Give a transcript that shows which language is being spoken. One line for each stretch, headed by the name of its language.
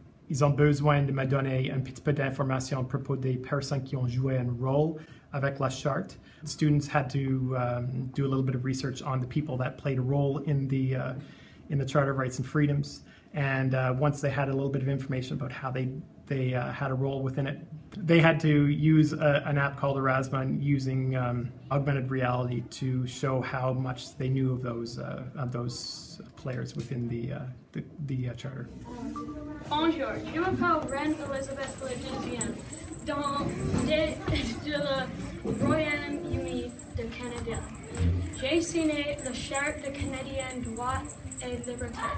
French: Ils ont besoin de me donner un petit peu d'informations à propos des personnes qui ont joué un rôle avec la charte.
English: Students had to do a little bit of research on the people that played a role in the Charter of Rights and Freedoms. And once they had a little bit of information about how they had a role within it, they had to use an app called Erasma and using augmented reality to show how much they knew of those players within the charter.
French: Bonjour, je m'appelle Ren Elizabeth Legendian. Dans le Royaume Uni de Canada, j'ai signé la charte de Canadien droit et liberté.